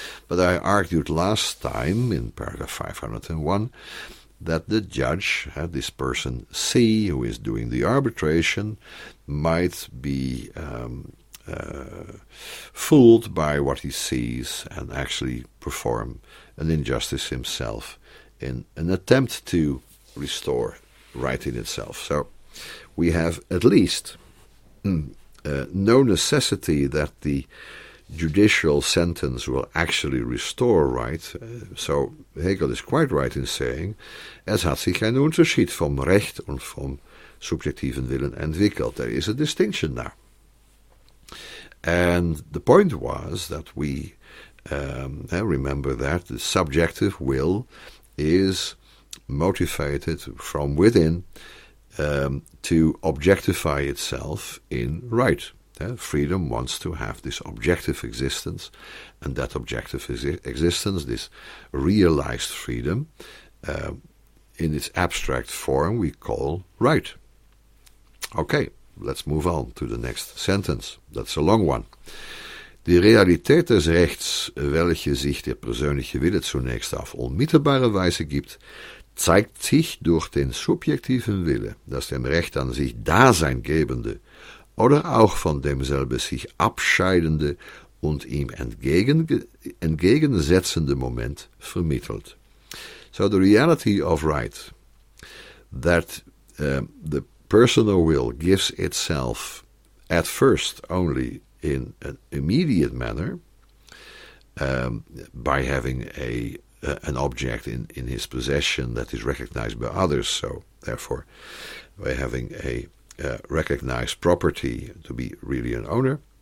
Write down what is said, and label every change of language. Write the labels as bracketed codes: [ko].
[en] But I argued last time in paragraph 501 that the judge, this person C, who is doing the arbitration, might be fooled by what he sees and actually perform an injustice himself in an attempt to restore right in itself. So we have at least no necessity that the judicial sentence will actually restore right. So Hegel is quite right in saying, [de] es hat sich ein Unterschied vom Recht und vom subjektiven Willen entwickelt. [en] There is a distinction now. And the point was that we remember that the subjective will is motivated from within to objectify itself in right. Freedom wants to have this objective existence, and that objective existence, this realized freedom, in its abstract form we call right. Okay, let's move on to the next sentence. That's a long one. [de] Die Realität des Rechts, welche sich der persönliche Wille zunächst auf unmittelbare Weise gibt, zeigt sich durch den subjektiven Wille, das dem Recht an sich Dasein gebende oder auch von demselben sich abscheidende und ihm entgegensetzende Moment vermittelt. [en] So the reality of right, that the personal will gives itself at first only in an immediate manner by having an object in his possession that is recognized by others, so therefore by having a recognized property to be really an owner.